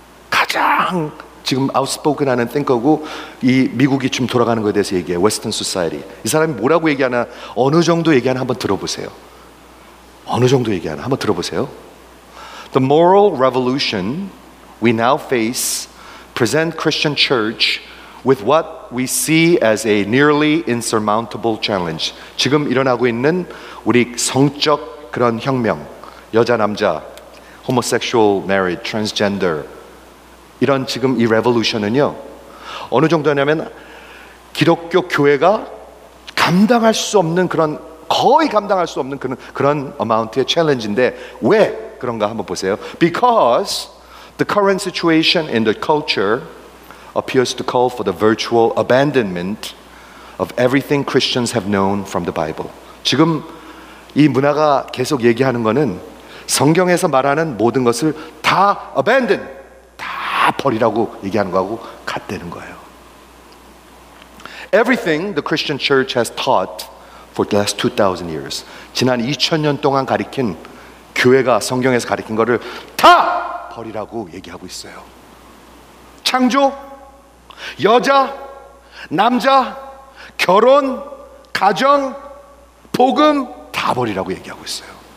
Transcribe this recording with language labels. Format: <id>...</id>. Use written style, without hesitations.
<ko>가장 지금 아웃스포크 나는 땡커고 이 미국이 지금 돌아가는 것에 대해서 얘기해요. 웨스턴 소사이어티. 이 사람이 뭐라고 얘기하나 어느 정도 얘기하나 한번 들어보세요. 어느 정도 얘기하나 한번 들어보세요.</ko> <en>The moral revolution we now face present Christian church with what we see as a nearly insurmountable challenge.</en> <ko>지금 일어나고 있는 우리 성적 그런 혁명, 여자 남자, homosexual marriage, transgender, 이런 지금 이 레볼루션은요 어느 정도냐면 기독교 교회가 감당할 수 없는 그런 거의 감당할 수 없는 그런 amount의 challenge인데 왜 그런가 한번 보세요.</ko> <en>Because the current situation in the culture appears to call for the virtual abandonment of everything Christians have known from the Bible.</en> <ko>지금 이 문화가 계속 얘기하는 거는 성경에서 말하는 모든 것을 다 abandon. 다 버리라고 얘기하는 거하고 같다는 거예요.</ko> <en>Everything the Christian church has taught for the last 2,000 years.</en> <ko>지난 2,000년 동안 가리킨 교회가 성경에서 가리킨 거를 다 버리라고 얘기하고 있어요. 창조, 여자, 남자, 결혼, 가정, 복음 다 버리라고 얘기하고 있어요.</ko>